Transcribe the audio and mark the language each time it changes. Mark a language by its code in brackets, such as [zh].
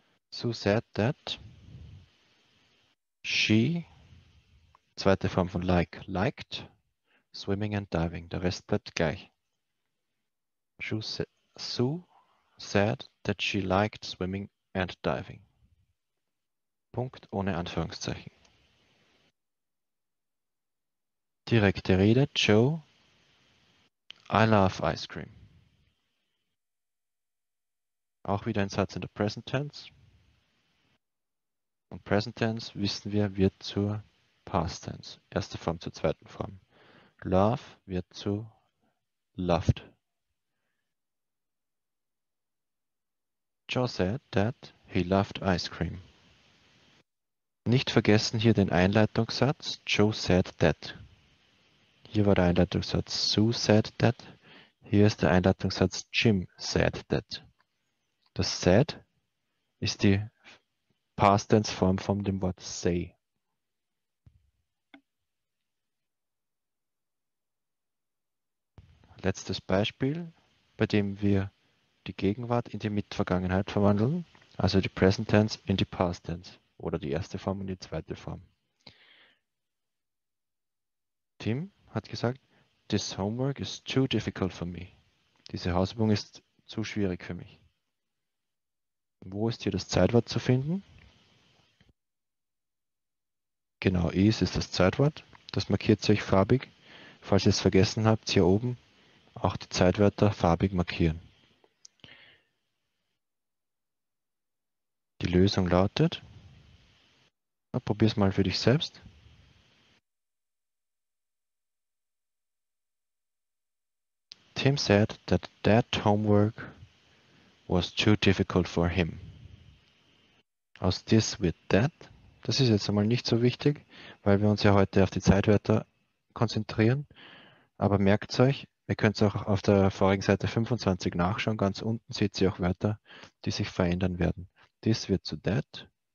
[en] Sue said that she, [de] zweite Form von [en] like, liked swimming and diving. [de] Der Rest bleibt gleich. [en] Sue said that she liked swimming and diving. [de] Punkt ohne Anführungszeichen. Direkte Rede, [en] Joe, I love ice cream. [de] Auch wieder ein Satz in der Present Tense. Und Present Tense, wissen wir, wird zur Past Tense. Erste Form zur zweiten Form. Love wird zu loved. [en] Joe said that he loved ice cream. [de] Nicht vergessen hier den Einleitungssatz, [en] Joe said that. [de] Hier war der Einleitungssatz [en] Sue said that. [de] Hier ist der Einleitungssatz [en] Jim said that. [de] Das said ist die Past Tense Form von dem Wort say. Letztes Beispiel, bei dem wir die Gegenwart in die Mitvergangenheit verwandeln, also die Present Tense in die Past Tense oder die erste Form in die zweite Form. Tim hat gesagt, [en] this homework is too difficult for me. [de] Diese Hausübung ist zu schwierig für mich. Wo ist hier das Zeitwort zu finden? Genau, is ist das Zeitwort. Das markiert sich farbig. Falls ihr es vergessen habt, hier oben auch die Zeitwörter farbig markieren. Die Lösung lautet, na, probier's mal für dich selbst. [en] Tim said that that homework was too difficult for him. [de] Aus this wird that. Das ist jetzt einmal nicht so wichtig, weil wir uns ja heute auf die Zeitwörter konzentrieren. Aber merkt euch, ihr könnt es auch auf der vorigen Seite 25 nachschauen. Ganz unten seht ihr auch Wörter, die sich verändern werden. This wird zu that.